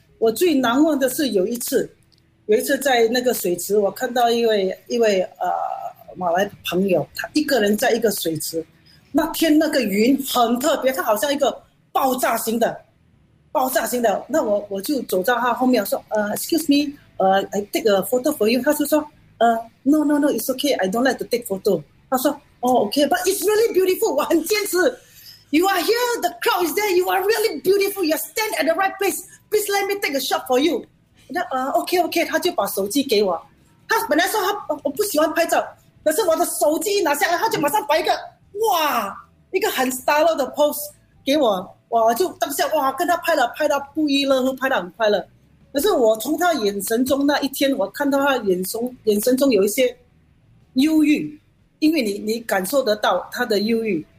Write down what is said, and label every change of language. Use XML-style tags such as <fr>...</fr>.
<zh>我最难忘的是有一次在那个水池，我看到一位马来朋友，他一个人在一个水池，那天那个云很特别，它好像一个爆炸型的。那我就走到他后面说，excuse me。</zh> <en>I take a photo for you.</en> <zh>他就说</zh> <en>no, it's okay, I don't like to take photo.</en> <zh>他说</zh> <en>oh, okay, but it's really beautiful.</en> <zh>我很坚持</zh> <en>You are here, the crowd is there, you are really beautiful, you stand at the right place, please let me take a shot for you.</en> <zh>那okay, 他就把手机给我。他本来说他我不喜欢拍照，可是我的手机拿下来，他就马上摆一个哇，一个很 style 的 pose 给我。我就当下哇，跟他拍了，拍到不亦乐乎，拍到很快乐。可是我从他眼神中那一天，我看到他眼神中有一些忧郁，因为你感受得到他的忧郁。</zh>